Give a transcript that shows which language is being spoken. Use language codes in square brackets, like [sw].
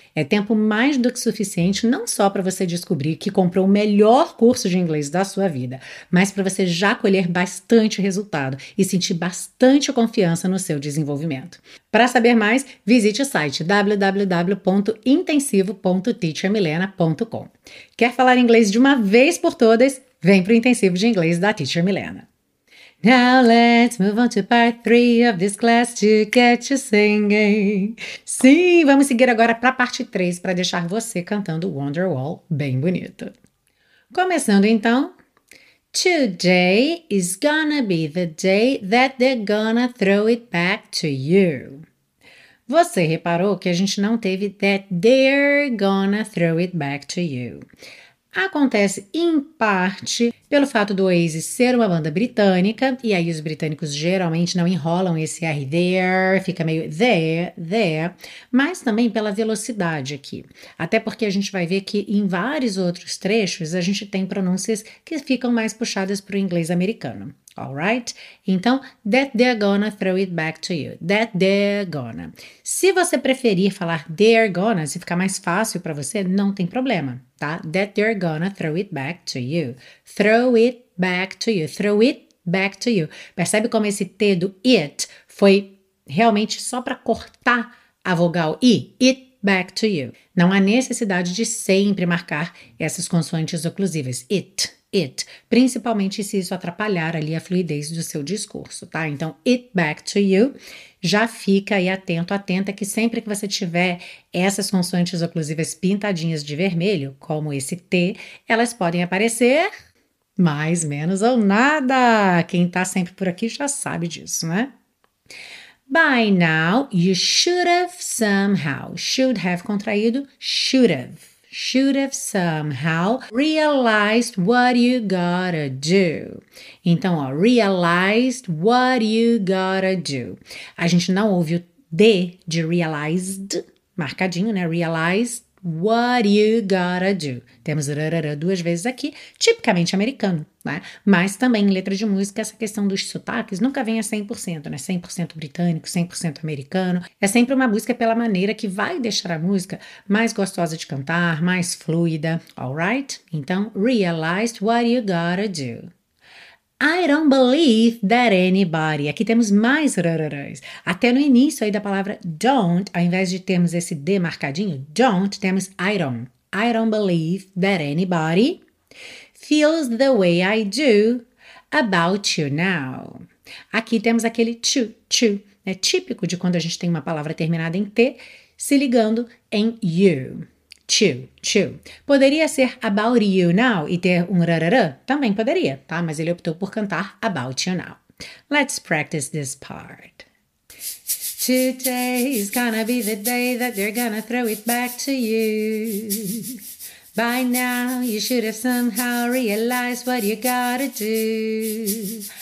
[pt] É tempo mais do que suficiente não só para você descobrir que comprou o melhor curso de inglês da sua vida, mas para você já colher bastante resultado e sentir bastante confiança no seu desenvolvimento. Para saber mais, visite o site www.intensivo.teachermilena.com. Quer falar inglês de uma vez por todas? Vem para o Intensivo de Inglês da Teacher Milena. [en] Now let's move on to part 3 of this class to get you singing. [pt] Sim, vamos seguir agora para a parte 3 para deixar você cantando Wonderwall bem bonito. Começando então. [en] Today is gonna be the day that they're gonna throw it back to you. [pt] Você reparou que a gente não teve [en] that they're gonna throw it back to you. [pt] Acontece em parte pelo fato do Oasis ser uma banda britânica, e aí os britânicos geralmente não enrolam esse R there, fica meio there, mas também pela velocidade aqui. Até porque a gente vai ver que em vários outros trechos a gente tem pronúncias que ficam mais puxadas para o inglês americano. [en] Alright? Então, that they're gonna throw it back to you. That they're gonna. [pt] Se você preferir falar [en] they're gonna, [pt] se ficar mais fácil para você, não tem problema, tá? [en] That they're gonna throw it back to you. Throw it back to you. Throw it back to you. [pt] Percebe como esse T do it foi realmente só para cortar a vogal I? [en] It back to you. [pt] Não há necessidade de sempre marcar essas consoantes oclusivas. It, principalmente se isso atrapalhar ali a fluidez do seu discurso, tá? Então, [en] it back to you, [pt] já fica aí atento, atenta, que sempre que você tiver essas consoantes oclusivas pintadinhas de vermelho, como esse T, elas podem aparecer mais, menos ou nada. Quem tá sempre por aqui já sabe disso, né? [en] By now, you should have somehow, should have contraído, should have somehow realized what you gotta do. [pt] Então, ó, [en] realized what you gotta do. [pt] A gente não ouve o D de realized, marcadinho, né? [en] Realized what you gotta do. [pt] Temos rarara duas vezes aqui, tipicamente americano, né? Mas também em letra de música, essa questão dos sotaques nunca vem a 100%, né? 100% britânico, 100% americano. É sempre uma busca pela maneira que vai deixar a música mais gostosa de cantar, mais fluida, alright? [en] Então, realized what you gotta do. I don't believe that anybody. [pt] Aqui temos mais rararãs. Até no início aí da palavra don't, ao invés de termos esse D marcadinho, don't, temos [en] I don't. I don't believe that anybody feels the way I do about you now. [pt] Aqui temos aquele to, né? Típico de quando a gente tem uma palavra terminada em T, se ligando em you. To. Poderia ser [en] about you now [pt] e ter um rararã? Também poderia, tá? Mas ele optou por cantar [en] about you now. Let's practice this part. Today's gonna be the day that they're gonna throw it back to you. By now you should have somehow realized what you gotta do.